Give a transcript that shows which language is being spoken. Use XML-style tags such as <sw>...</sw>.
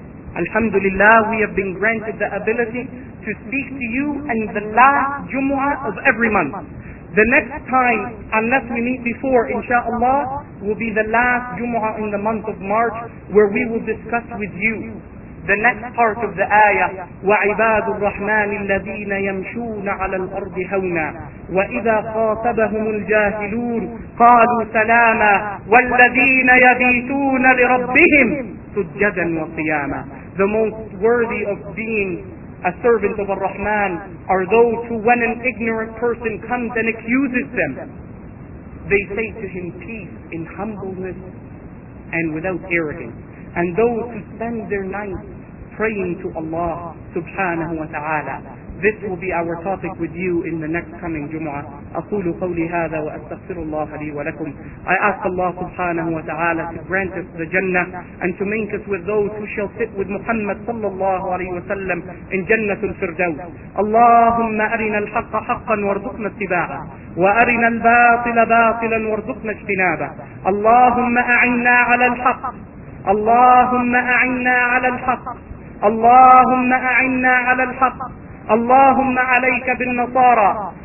<en>Alhamdulillah, we have been granted the ability to speak to you and the last Jumu'ah of every month. The next time, unless we meet before, inshaAllah, will be the last Jumu'ah in the month of March, where we will discuss with you the next part of the ayah.</en> <ar>وَعِبَادُ الرَّحْمَنِ الَّذِينَ يَمْشُونَ عَلَى الْأَرْضِ هَوْنًا وَإِذَا خَاطَبَهُمُ الْجَاهِلُونَ قَالُوا سَلَامًا وَالَّذِينَ يَبِيتُونَ لِرَبِّهِمْ سجدا وقياما.</ar> <en>The most worthy of being a servant of Ar-Rahman are those who, when an ignorant person comes and accuses them, they say to him, peace, in humbleness and without arrogance. And those who spend their nights praying to Allah subhanahu wa ta'ala. This will be our topic with you in the next coming Jumu'ah.</en> <ar>أَقُولُ قَوْلِ هَذَا وَأَسْتَغْفِرُ اللَّهَ لِي وَلَكُمْ.</ar> <en>I ask Allah subhanahu wa ta'ala to grant us the Jannah and to make us with those who shall sit with Muhammad sallallahu alayhi wa sallam in Jannatul Firdaus.</en> <ar>اللهم أرنا الحق حقا وارزقنا اتباعه وأرنا الباطل باطلا وارزقنا اجتنابه. اللهم أعنا على الحق. اللهم أعنا على الحق. اللهم أعنا على الحق. اللهم عليك بالنصارى.</ar>